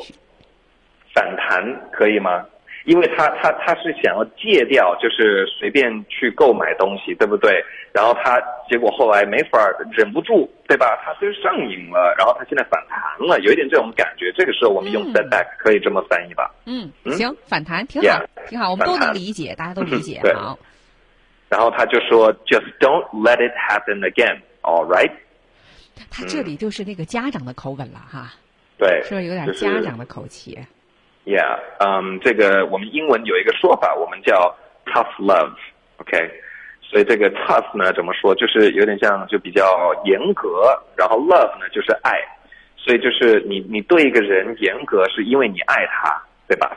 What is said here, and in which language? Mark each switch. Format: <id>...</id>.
<zh>许。反弹可以吗？因为他是想要戒掉，就是随便去购买东西，对不对？然后他结果后来没法忍不住，对吧？他就上瘾了，然后他现在反弹了，有一点这种感觉。这个时候我们用 setback 可以这么翻译吧？嗯，行，反弹挺好。</zh> <en>yeah,</en> <zh>挺好，我们都能理解，大家都理解。对，好。然后他就说</zh> <en>just don't let it happen again, all right?</en> <zh>他这里就是那个家长的口吻了哈。对，是不是有点家长的口气？就是，</zh> <en>yeah,</en> <zh>这个我们英文有一个说法，我们叫</zh> <en>tough love, okay?</en> <zh>所以这个 tough 呢怎么说，就是有点像就比较严格，然后 love 呢就是爱，所以就是你对一个人严格是因为你爱他，对吧？</zh>